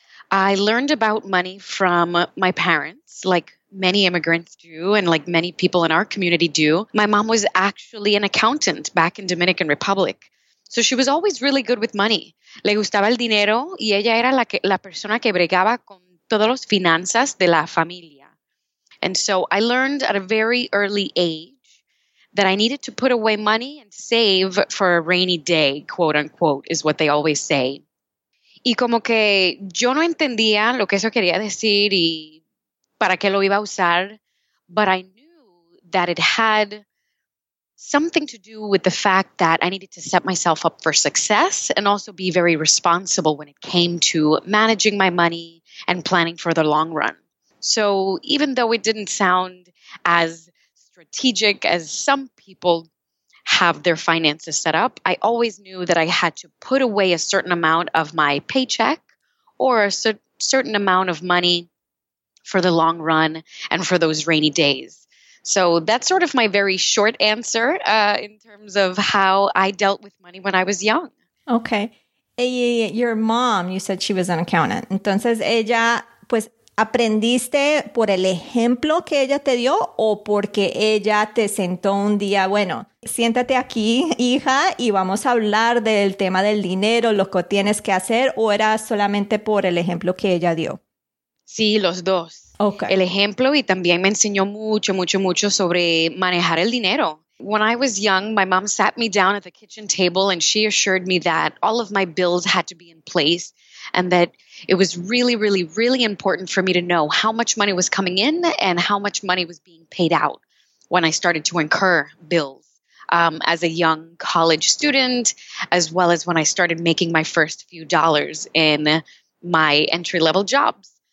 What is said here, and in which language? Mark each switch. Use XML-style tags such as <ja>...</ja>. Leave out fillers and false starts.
<en>I learned about money from my parents, like many immigrants do, and like many people in our community do. My mom was actually an accountant back in Dominican Republic. So she was always really good with money.</en> <es>Le gustaba el dinero y ella era la persona que bregaba con todos los finanzas de la familia.</es> <en>And so I learned at a very early age that I needed to put away money and save for a rainy day, quote unquote, is what they always say.</en> <es>Y como que yo no entendía lo que eso quería decir y para qué lo iba a usar,</es> <en>but I knew that it had something to do with the fact that I needed to set myself up for success and also be very responsible when it came to managing my money and planning for the long run. So even though it didn't sound as strategic as some people have their finances set up, I always knew that I had to put away a certain amount of my paycheck or a certain amount of money for the long run and for those rainy days. So that's sort of my very short answer in terms of how I dealt with money when I was young. Okay. Your mom, you said she was an accountant.</en> <es>Entonces, ella, pues, ¿aprendiste por el ejemplo que ella te dio o porque ella te sentó un día, bueno, siéntate aquí, hija, y vamos a hablar del tema del dinero, lo que tienes que hacer, o era solamente por el ejemplo que ella dio? Sí, los dos.</es> <en>Okay.</en> <es>El ejemplo, y también me enseñó mucho, mucho, mucho sobre manejar el dinero.</es> <en>When I was young, my mom sat me down at the kitchen table and she assured me that all of my bills had to be in place and that it was really, really, really important for me to know how much money was coming in and how much money was being paid out when I started to incur bills as a young college student, as well as when I started making my first few dollars in my entry-level jobs.</en>